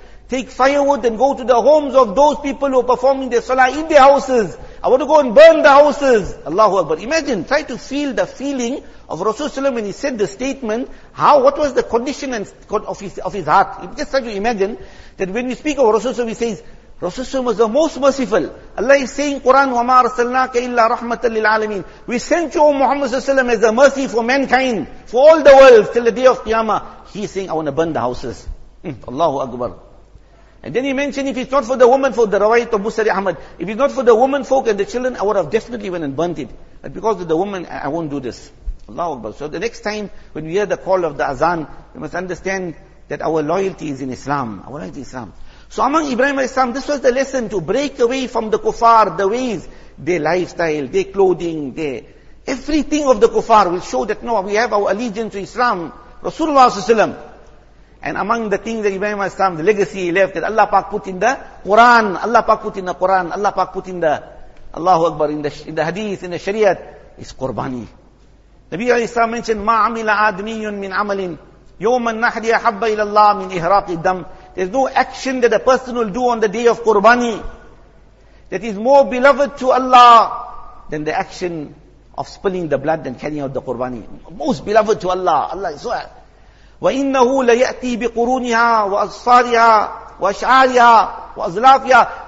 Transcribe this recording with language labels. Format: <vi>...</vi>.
<en>Take firewood and go to the homes of those people who are performing their salah in their houses. I want to go and burn the houses. Allahu Akbar. Imagine, try to feel the feeling of Rasulullah when he said the statement. What was the condition of his heart? Just try to imagine that when we speak of Rasulullah, he says, Rasulullah was the most merciful. Allah is saying, Quran,</en> <ar>وَمَا أَرْسَلْنَاكَ إِلَّا رَحْمَةً لِلْعَالَمِينَ.</ar> <en>We sent you, O Muhammad sallallahu alayhi wa sallam, as a mercy for mankind, for all the world, till the day of Qiyamah. He is saying, I want to burn the houses. Allahu Akbar. And then he mentioned, if it's not for the woman folk, the Rawayat of Musa Ahmad, if it's not for the woman folk and the children, I would have definitely went and burnt it. But because of the woman, I won't do this. Allahu Akbar. So the next time when we hear the call of the Azan, we must understand that our loyalty is in Islam. Our loyalty is Islam. So among Ibrahim al-Islam, this was the lesson to break away from the kuffar, the ways, their lifestyle, their clothing, their everything of the kuffar will show that no, we have our allegiance to Islam, Rasulullah s.a.w. And among the things that Ibrahim al-Islam, the legacy he left, that Allah Pak put in the Quran, Allah Pak put in the Quran, Allah Pak put in the, Allahu Akbar, in the hadith, in the shariat, is qurbani. Nabi al-Islam mentioned,</en> <ar>مَا عَمِلَ آدْمِيٌ مِنْ عَمَلٍ يَوْمَ النَّحْدِيَ حَبَّ إِلَى اللَّهِ مِنْ إِهْرَاقِ الدَّمِ.</ar> <en>There's no action that a person will do on the day of Qurbani that is more beloved to Allah than the action of spilling the blood and carrying out the Qurbani. Most beloved to Allah. Allah is so.</en> <ar>وَإِنَّهُ لَيَأْتِي بِقُرُونِهَا وَأَصْفَارِهَا وَأَشْعَارِهَا وَأَزْلَافِهَا.</ar>